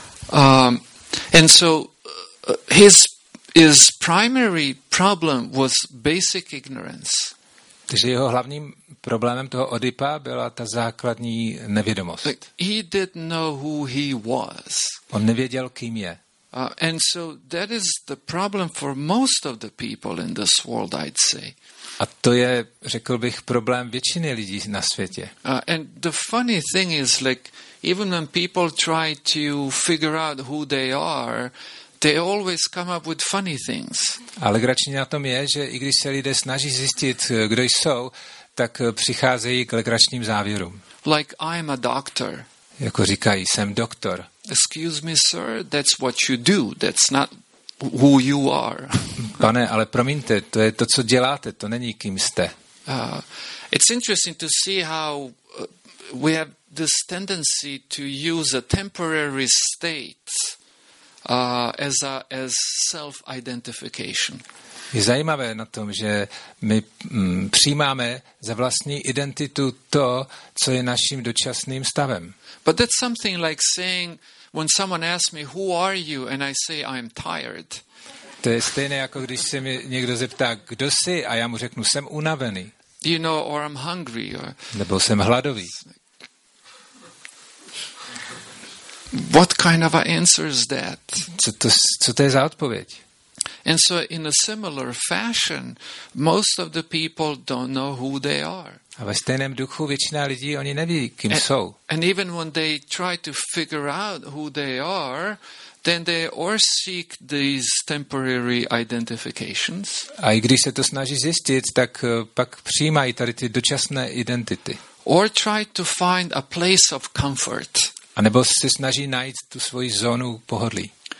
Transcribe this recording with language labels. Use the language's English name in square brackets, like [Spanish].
[English] And so his primary problem was basic ignorance. [Czech] Takže jeho hlavním problémem toho Oedipa byla ta základní nevědomost. [English] He didn't know who he was. [Czech] On nevěděl, kým je. [English] And so that is the problem for most of the people in this world, I'd say. [Czech] A to je, řekl bych, problém většiny lidí na světě. [English] And the funny thing is, like, even when people try to figure out who they are, they always come up with funny things. [Czech] Ale legrační na tom je, že i když se lidé snaží zjistit, kdo jsou, tak přicházejí k legračním závěrům. [English] Like I'm a doctor. [Czech] Jako říkají, jsem doktor. [English] Excuse me, sir, that's what you do. That's not who you are. [Czech] Pane, ale promiňte, to je to, co děláte, to není, kým jste. [English] It's interesting to see how we have this tendency to use a temporary state as self-identification. [Czech] Je zajímavé na tom, že my přijímáme za vlastní identitu to, co je naším dočasným stavem. [English] But that's something like saying when someone asks me who are you and I say I'm tired. [Czech] To je stejné jako když se mi někdo zeptá kdo jsi a já mu řeknu jsem unavený. [English] You know, or I'm hungry. Or... [Czech] Nebo jsem hladový. [English] What kind of answer is that? [Czech] Co to je za odpověď? [English] And so in a similar fashion, most of the people don't know who they are. [Czech] A ve stejném duchu většina lidí, oni neví, kým jsou. [English] And even when they try to figure out who they are, then they or seek these temporary identifications. [Czech] A i když se to snaží zjistit, tak pak přijímají tady ty dočasné identity. [English] Or try to find a place of comfort. [Czech] A nebo se snaží najít tu svoji zónu pohodlí.